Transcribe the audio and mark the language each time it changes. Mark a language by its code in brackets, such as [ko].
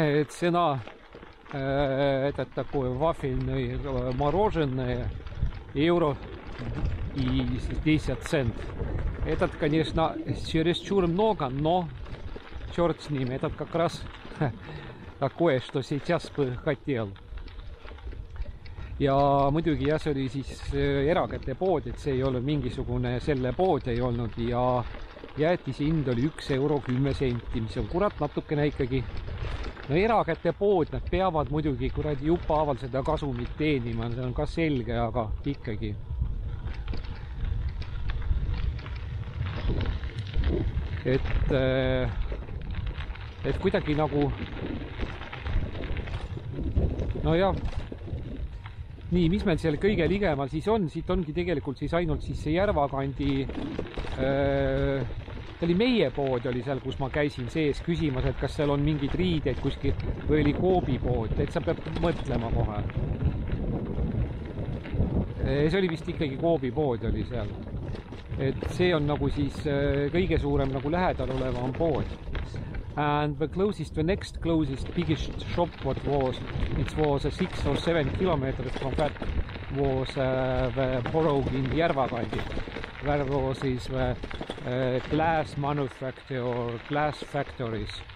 [ru] Цена этот такой вафельный мороженое евро и 10 центов. Этот, конечно, чересчур много, но черт с ним, этот как раз такое, что сейчас бы хотел. [et] Ja muidugi ja see oli siis erakäte pood, et see ei olnud mingisugune selle pood ei olnud ja jäätis hind oli 1 euro 10 senti, mis on kurat natukene ikkagi. No erakäte pood, nad peavad muidugi kurat juppaaval seda kasumit teenima, see on ka selge, aga ikkagi. Et kuidagi nagu, no jah. Nii, mis meil seal kõige ligemal siis on? Siit ongi tegelikult siis ainult siis see Järvakandi, see oli meie pood oli seal, kus ma käisin sees küsimas, et kas seal on mingid riided kuskil või oli Koobi pood, et sa pead mõtlema kohe. See oli vist ikkagi Koobi pood oli seal. Et see on nagu siis kõige suurem nagu lähedal oleva on pood. [en] And the next closest biggest shop was 6 or 7 kilometers from that was the borough in Järvakandi, where was is the glass manufacture or glass factories.